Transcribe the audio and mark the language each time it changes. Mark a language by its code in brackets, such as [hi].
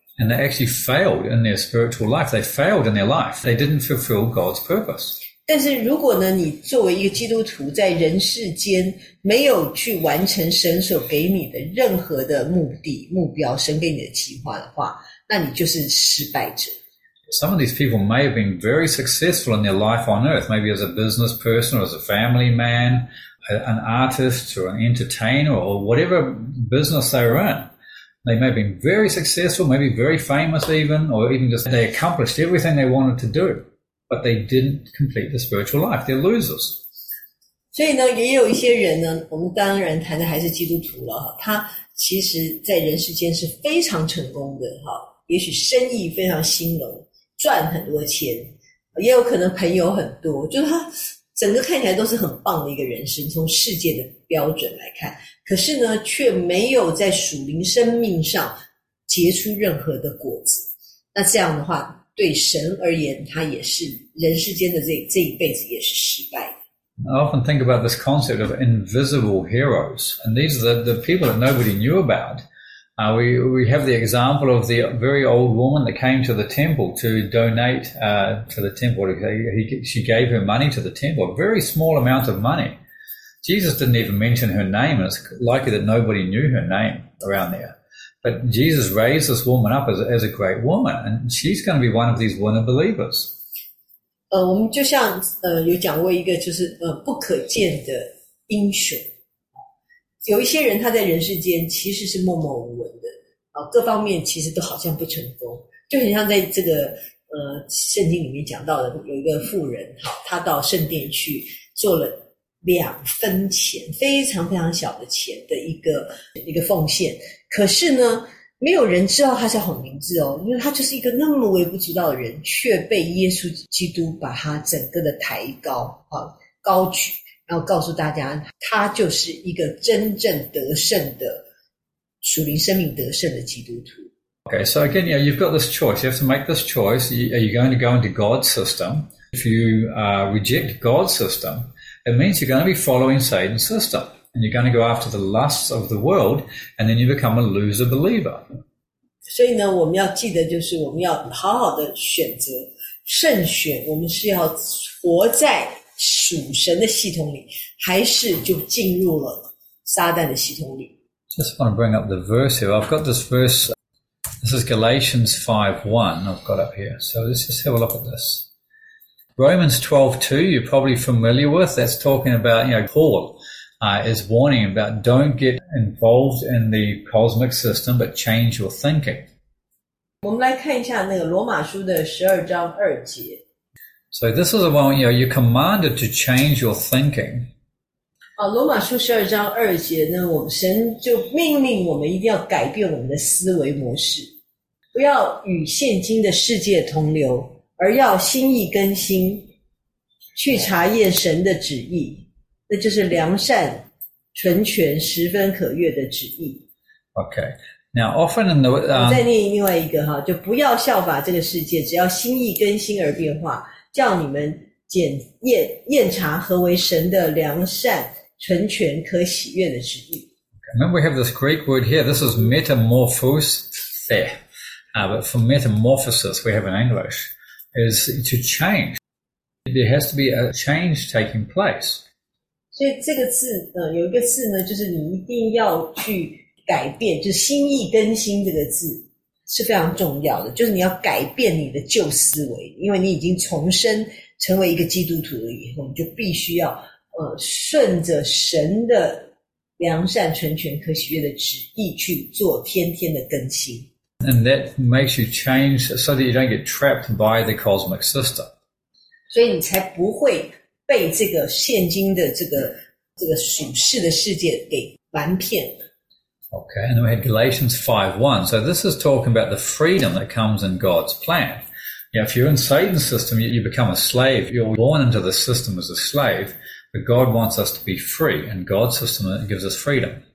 [en] And they actually failed in their spiritual life. They failed in their life. They didn't fulfill God's purpose. [zh] 但是如果呢，你作为一个基督徒在人世间没有去完成神所给你的任何的目的、目标、神给你的计划的话，那你就是失败者。 [en] Some of these people may have been very successful in their life on earth, maybe as a business person or as a family man, an artist or an entertainer or whatever business they were in. They may have been very successful, maybe very famous even, or even just they accomplished everything they wanted to do, but they didn't complete the spiritual life. They're losers. [zh] 所以呢，也有一些人呢，我们当然谈的还是基督徒了，他其实在人世间是非常成功的，也许生意非常兴隆，赚很多钱，也有可能朋友很多，就是他整个看起来都是很棒的一个人生，从世界的标准来看。可是呢，却没有在属灵生命上结出任何的果子。那这样的话，对神而言，他也是人世间的这一辈子也是失败的。 [en] I often think about this concept of invisible heroes, and these are the people that nobody knew about. We have the example of the very old woman that came to the temple to donate to the temple. She gave her money to the temple, a very small amount of money. Jesus didn't even mention her name, and it's likely that nobody knew her name around there. But Jesus raised this woman up as a great woman, and she's going to be one of these winner believers. [zh] 我们就像有讲过一个就是不可见的英雄。有一些人他在人世间其实是默默无闻的，各方面其实都好像不成功，就很像在这个圣经里面讲到的，有一个妇人，他到圣殿去做了。两分钱，非常非常小的钱的一个奉献，可是呢，没有人知道他叫什么名字哦，因为他就是一个那么微不足道的人，却被耶稣基督把他整个的抬高啊，高举，然后告诉大家，他就是一个真正得胜的属灵生命得胜的基督徒。 [en] Okay, so again, yeah, you've got this choice. You have to make this choice. Are you going to go into God's system? If you reject God's system. It means you're going to be following Satan's system, and you're going to go after the lusts of the world, and then you become a loser believer. [zh] 所以呢，我们要记得，就是我们要好好的选择慎选，我们是要活在属神的系统里，还是就进入了撒旦的系统里。 [en] Just want to bring up the verse here. I've got this verse. This is Galatians 5:1. I've got up here. So let's just have a look at this. Romans 12:2, you're probably familiar with. That's talking about, you know, Paul is warning about don't get involved in the cosmic system, but change your thinking. [zh] 我们来看一下那个罗马书的12章2节。 [en] So this is the one, you know, you're commanded to change your thinking. [zh] 罗马书12章2节呢，我们神就命令我们一定要改变我们的思维模式，不要与现今的世界同流，而要心意更新，去查验神的旨意，那就是良善、纯全、十分可悦的旨意。 [en] Okay, now often in the [zh] 再念另外一个哈，就不要效法这个世界，只要心意更新而变化，叫你们检验验查何为神的良善、纯全、可喜悦的旨意。 [en] Okay, remember we have this Greek word here. This is metamorphose. But for metamorphosis, we have in English. Is to change. There has to be a change taking place. [zh] 所以这个字，有一个字呢，就是你一定要去改变，就是心意更新这个字是非常重要的。就是你要改变你的旧思维，因为你已经重生成为一个基督徒了以后，你就必须要顺着神的良善、纯全、可喜悦的旨意去做天天的更新。 [en] And that makes you change so that you don't get trapped by the cosmic system. [zh] 所以你才不会被这个现今的这个属世的世界给瞒骗。 [en] Okay, and then we had Galatians 5:1. So this is talking about the freedom that comes in God's plan. Yeah, if you're in Satan's system, you become a slave. You're born into the system as a slave, but God wants us to be free, and God's system gives us freedom.